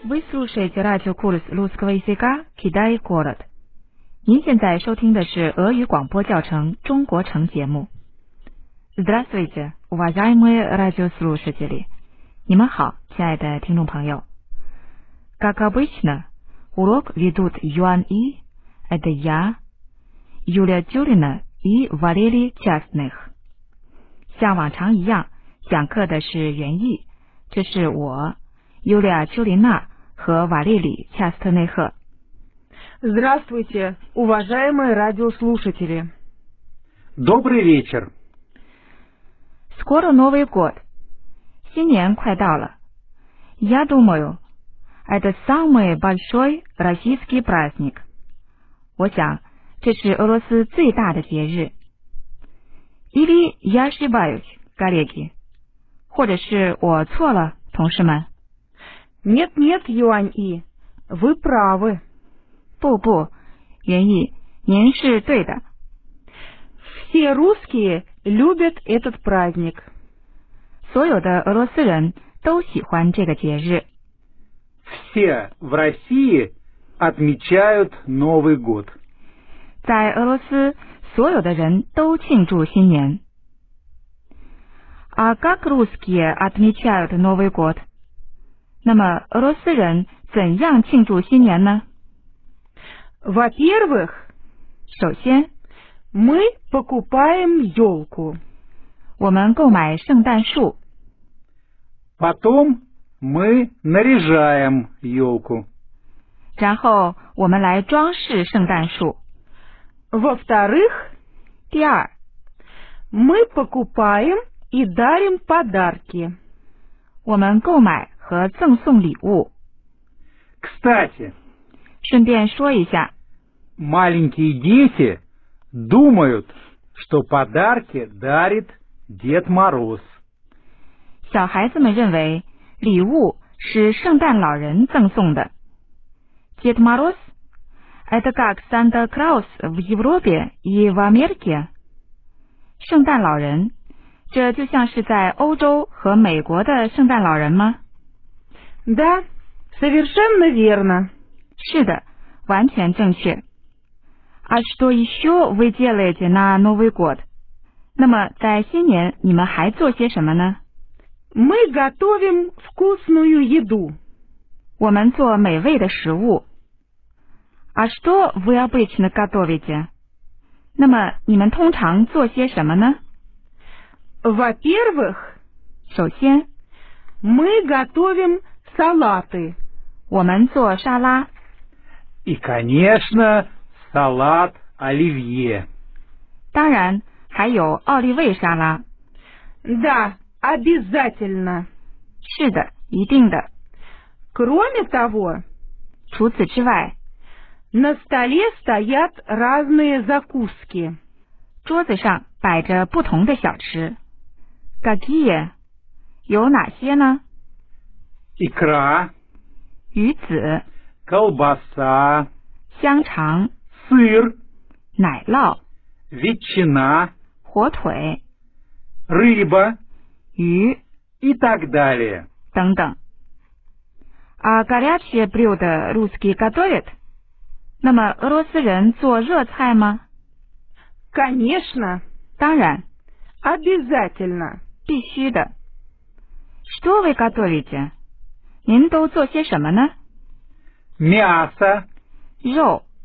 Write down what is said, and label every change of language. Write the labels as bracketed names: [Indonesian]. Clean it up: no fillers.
[Russian] Слушайте радио курс русского языка «Китай город». [Chinese] 您现在收听的是俄语广播教程《中国城》节目。 [Russian] Здравствуйте, уважаемые радиослушатели! [Chinese] 你们好，亲爱的听众朋友。 [Russian] Как обычно, урок ведут Юан И, это я, Юлия Тюрина и Валерий Частных. [Chinese] 像往常一样，讲课的是袁毅，这是我，尤利亚·丘琳娜。和瓦列里·恰斯特内赫。 [Russian] Здравствуйте, уважаемые радиослушатели. Добрый вечер. Скоро Новый год. [Chinese] 新年快到了。 [Russian] Я думаю, это самый большой российский праздник. [Chinese] 我想，这是俄罗斯最大的节日。 [Russian] Или я ошибаюсь, коллеги. [Chinese] 或者是我错了，同事们。 [Russian] Нет-нет, Юань И, вы правы. [Chinese] 不不，袁毅，您是对的。 [Russian] Все русские любят этот праздник. [Chinese] 所有的俄罗斯人都喜欢这个节日。 [Russian] Все в России отмечают Новый год. [Chinese] 在俄罗斯，所有的人都庆祝新年。 [Russian] А как русские отмечают Новый год? [Chinese] 那么俄罗斯人怎样庆祝新年呢 [Russian] ？Во-первых, [Chinese] 首先 [Russian] ，мы покупаем ёлку， [Chinese] 我们购买圣诞树。 [Russian] Потом мы наряжаем ёлку， [Chinese] 然后我们来装饰圣诞树。 [Russian] Во-вторых, [Chinese] 第二 [Russian] ，мы покупаем и дарим подарки， [Chinese] 我们购买。和赠送礼物。 [Russian] Кстати, [Chinese] 顺便说一下 [Russian] маленькие дети думают, что подарки дарит Дед Мороз. [Chinese] 小孩子们认为礼物是圣诞老人赠送的。 [Russian] Дед Мороз? Это как Санта Клаус в Европе и в Америке? [Chinese] 圣诞老人，这就像是在欧洲和美国的圣诞老人吗？ [Russian] Да, совершенно верно. [Chinese] 是的，完全正确。 [Russian] А что еще вы делаете на Новый год? [Chinese] 那么在新年你们还做些什么呢 [Russian] ？Мы готовим вкусную еду. [Chinese] 我们做美味的食物。 [Russian] А что вы обычно готовите? [Chinese] 那么你们通常做些什么呢 [Russian] ？Во-первых, [Chinese] 首先 [Russian] ，мы готовим салаты. [Chinese] 我们做沙拉。 [Russian] И, конечно, салат оливье. [Chinese] 当然，还有奥利味沙拉。 [Russian] Да, обязательно. [Chinese] 是的，一定的。 [Russian] Кроме того, [Chinese] 除此之外 [Russian] на столе стоят разные закуски. [Chinese] 桌子上摆着不同的小吃。 [Russian] Какие? [Chinese] 有哪些呢？ [Russian] Икра, [Chinese] 鱼子 [Russian] колбаса, [Chinese] 香肠 [Russian] сыр, [Chinese] 奶酪 [Russian] ветчина, [Chinese] 火腿 [Russian] рыба, [Chinese] 鱼 [Russian] и так далее, [Chinese] 等等。 [Russian] А горячие блюда русские готовят? [Chinese] 那么俄罗斯人做热菜吗 [Russian] Конечно, [Chinese] 当然 [Russian] Обязательно, [Chinese] 必须的。 [Russian] Что вы готовите? [Chinese] 您都做些什么呢 [Russian] ？Мясо, [Chinese] 肉